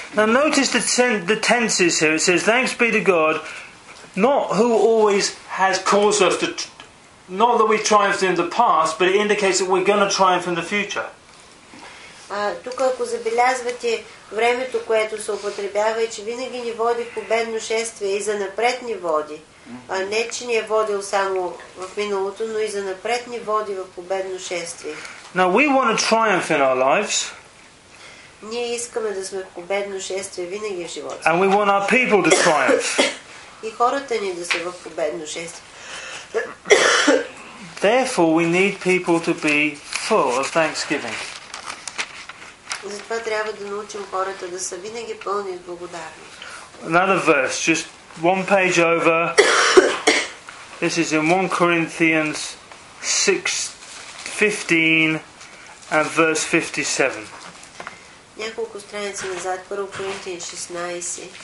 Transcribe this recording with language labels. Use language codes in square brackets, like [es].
[en] Now notice the tenses here. It says, thanks be to God, not who always has caused us to... Not that we triumphed in the past, but it indicates that we're going to triumph in the future. [bg] Тук ако забелязвате времето, което се употребява, е, че винаги ни води в победно шествие и за напред ни води. Не, че ни е водил само в миналото, но и за напред ни води в победно шествие. [en] Now we want to triumph in our lives. [bg] Ние искаме да сме в победно шествие винаги в живота. [en] And we want our people to triumph. [bg] И хората ни да са в победно шествие. [en] Therefore, we need people to be full of thanksgiving. [bg] Затова трябва да научим хората да са винаги пълни с благодарност. [en] Another verse, just one page over. This is in 1 Corinthians 6:15 and verse 57. [bg] Няколко страници назад, 1 Коринтиян 16.